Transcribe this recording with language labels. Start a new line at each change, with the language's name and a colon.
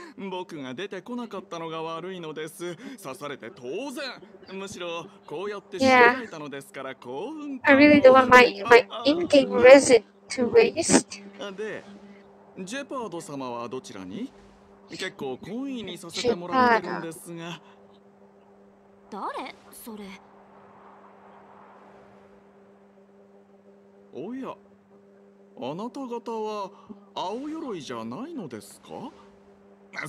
Japanese: 僕が出てこなかったのが悪いのです。刺されて当然、むしろこうやって知られたのですから幸運か。
English: I really don't want my in-game resin to waste.
Japanese: で、ジェパード様はどちらに？結構懇意にさせてもらってるんですが。誰それ？おや、あなた方は青鎧じゃないのですか？